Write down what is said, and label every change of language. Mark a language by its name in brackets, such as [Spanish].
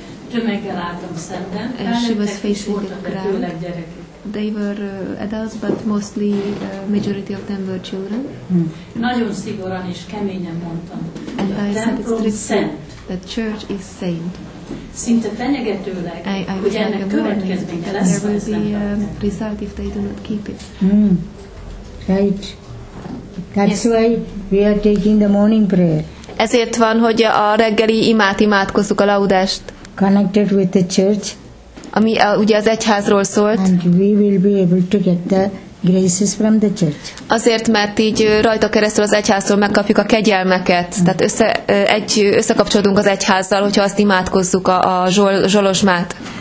[Hungarian] Tömeggel álltam szemben. [English] She was facing the crowd. They were adults, but mostly majority of them were children. [Hungarian] Nagyon szigorúan és keményen mondtam. [English] And I said it's strict. The church is saint. [Hungarian] Szinte fenyegetőleg, hogy ennek következménye lesz, [English] there will be a result if they do not keep it. Right. That's yes. Why we are taking the morning prayer. [Hungarian] Ezért van, hogy a reggeli imát imádkozzuk, a laudást. [English] Connected with the church. [Hungarian] Ami ugye az egyházról szólt. [English] And we will be able to get the graces from the church. [Hungarian] Azért, mert így rajta keresztül az egyháztól megkapjuk a kegyelmeket. Mm. Tehát összekapcsolódunk az egyházzal, hogyha azt imádkozzuk a zsolozsmát.